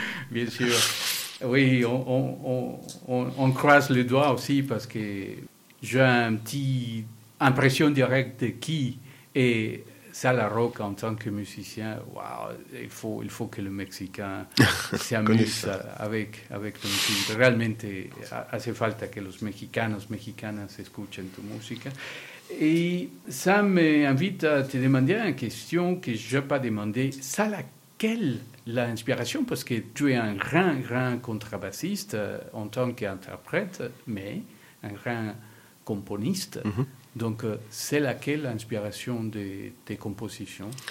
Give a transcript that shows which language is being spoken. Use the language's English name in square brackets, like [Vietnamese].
[French] Bien sûr, oui, on croise les doigts aussi, parce que j'ai une petite impression directe de qui est Sala Rocca en tant que musicien. Waouh, il faut que le Mexicain s'amuse avec le musique. [Spanish] Realmente hace falta que los mexicanos, mexicanas escuchen tu música. [French] Et ça m'invite à te demander une question que je n'ai pas demandé. Sala, quelle l'inspiration? Parce que tu es un grand, grand contrebassiste en tant qu'interprète, mais un grand componiste. Donc, c'est laquelle l'inspiration de tes compositions?